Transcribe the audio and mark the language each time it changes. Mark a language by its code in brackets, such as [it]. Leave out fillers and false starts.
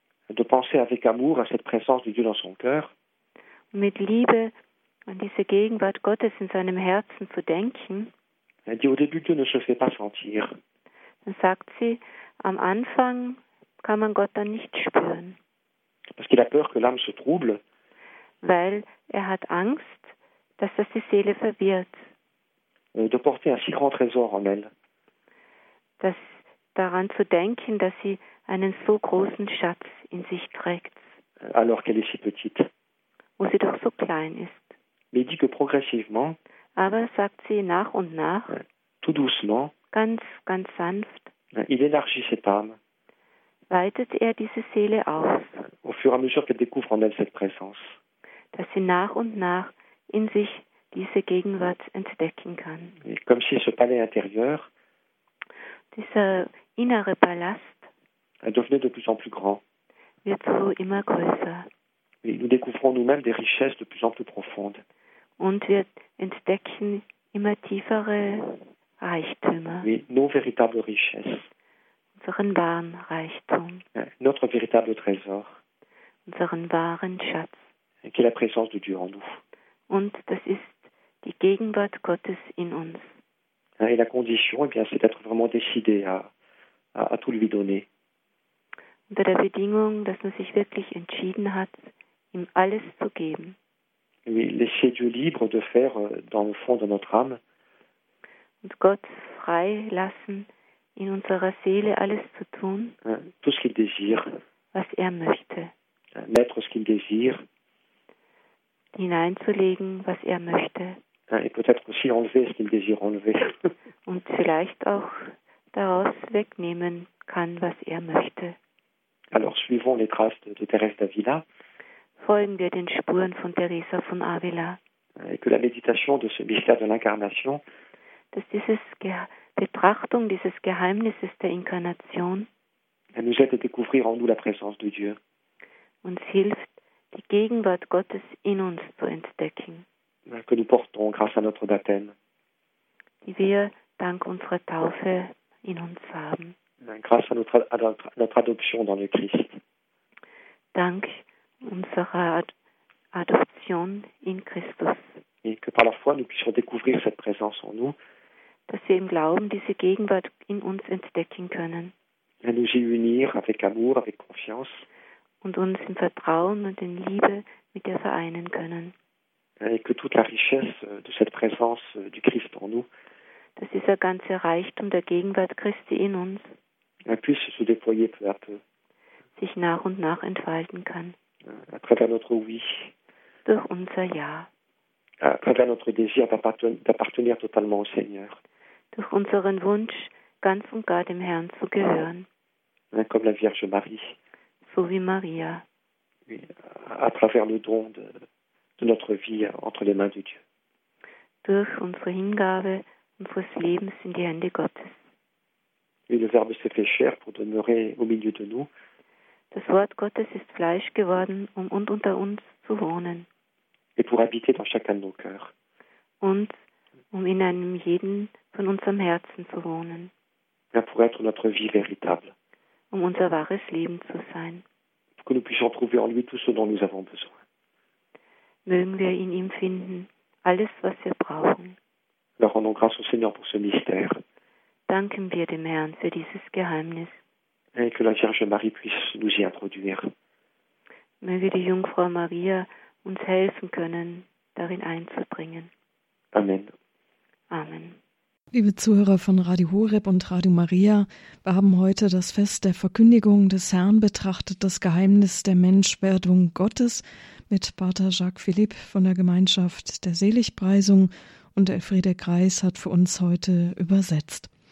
[fr] De penser avec amour à cette présence de Dieu dans son cœur. [de] Mit Liebe an diese Gegenwart Gottes in seinem Herzen zu denken. [fr] Elle dit au début, Dieu ne se fait pas sentir. [de] Dann sagt sie, am Anfang kann man Gott dann nicht spüren. [fr] Parce qu'il a peur que l'âme se trouble. [de] Weil er hat Angst, dass das die Seele verwirrt. [fr] De porter un si grand trésor en elle. [de] Das daran zu denken, dass sie einen so großen Schatz in sich trägt. [fr] Alors qu'elle est si petite. [de] Wo sie doch so klein ist. [fr] Mais dit que progressivement. [de] Aber sagt sie nach und nach. [fr] Tout doucement. [de] Ganz, ganz sanft. [fr] Il élargit cette âme. [de] Weitet er diese Seele aus. [fr] Au fur et à mesure qu'elle découvre en elle cette présence. [de] Dass sie nach und nach in sich diese Gegenwart entdecken kann. [fr] Et comme si ce palais intérieur. [de] Dieser innere Palast [fr] devenait de plus en plus grand. [de] Wird so immer größer. [fr] Et nous découvrons nous-mêmes des richesses de plus en plus profondes. [de] Und wir entdecken immer tiefere Reichtümer. [fr] Oui, nos véritables richesses. [de] Unseren wahren Reichtum. [fr] Notre véritable trésor. [de] Unseren wahren Schatz. [fr] Et qui est la présence de Dieu en nous. [de] Und das ist die Gegenwart Gottes in uns. [fr] Et la condition, eh bien, c'est d'être vraiment décidé à tout lui donner. [de] Unter der Bedingung, dass man sich wirklich entschieden hat, ihm alles zu geben. [fr] Oui, laisser Dieu libre de faire dans le fond de notre âme. [de] Und Gott frei lassen, in unserer Seele alles zu tun. [fr] Tout ce qu'il désire. [de] Was er möchte. [fr] Mettre ce qu'il désire. [de] Hineinzulegen, was er möchte. [fr] Et peut-être aussi enlever ce qu'il désire enlever. [de] Und vielleicht auch daraus wegnehmen kann, was er möchte. [fr] Alors suivons les traces de Teresa d'Avila. [de] Folgen wir den Spuren von Teresa von Avila. [fr] Et que la méditation de ce mystère de l'incarnation. [de] Dass diese Betrachtung dieses Geheimnisses der Inkarnation. [fr] Nous aide à découvrir en nous la présence de Dieu. [de] Uns hilft, die Gegenwart Gottes in uns zu entdecken. [fr] Que nous portons grâce à notre baptême. [de] Die wir dank unserer Taufe in uns haben. [fr] Grâce à notre adoption dans le Christ. [de] Dank unserer Adoption in Christus. [fr] Et que par la foi nous puissions découvrir cette présence en nous. [de] Dass wir im Glauben diese Gegenwart in uns entdecken können. [fr] Et nous y unir avec amour, avec confiance. [de] Und uns im Vertrauen und in Liebe mit ihr vereinen können. [fr] Et que toute la richesse de cette présence du Christ en nous. [de] Dass dieser ganze Reichtum der Gegenwart Christi in uns. [fr] Puisse se déployer peu à peu. [de] Sich nach und nach entfalten kann. [fr] À travers notre oui. [de] Durch unser Ja. [fr] À travers notre désir d'appartenir totalement au Seigneur. [de] Durch unseren Wunsch, ganz und gar dem Herrn zu gehören. [fr] Comme la Vierge Marie. [de] So wie Maria. [fr] Oui. À travers le don de notre vie entre les mains de Dieu. [de] Durch unsere Hingabe unseres Lebens in die Hände Gottes. [fr] Oui, le Verbe s'est fait chair pour demeurer au milieu de nous. [de] Das Wort Gottes ist Fleisch geworden, um unter uns zu wohnen. [fr] Et pour habiter dans chacun de nos cœurs. [de] Und um in einem jeden von unserem Herzen zu wohnen. [fr] Et pour être notre vie véritable. [de] Um unser wahres Leben zu sein. [fr] Pour que nous puissions trouver en lui tout ce dont nous avons besoin. [de] Mögen wir in ihm finden alles, was wir brauchen. [fr] Nous rendons grâce au Seigneur pour ce mystère. [de] Danken wir dem Herrn für dieses Geheimnis. [fr] Et que la Vierge Marie puisse nous y introduire. [de] Möge die Jungfrau Maria uns helfen können, darin einzudringen. [fr] Amen. [de] Amen. Liebe Zuhörer von Radio Horeb und Radio Maria, wir haben heute das Fest der Verkündigung des Herrn betrachtet, das Geheimnis der Menschwerdung Gottes mit Pater Jacques Philipp von der Gemeinschaft der Seligpreisung, und Elfriede Kreis hat für uns heute übersetzt.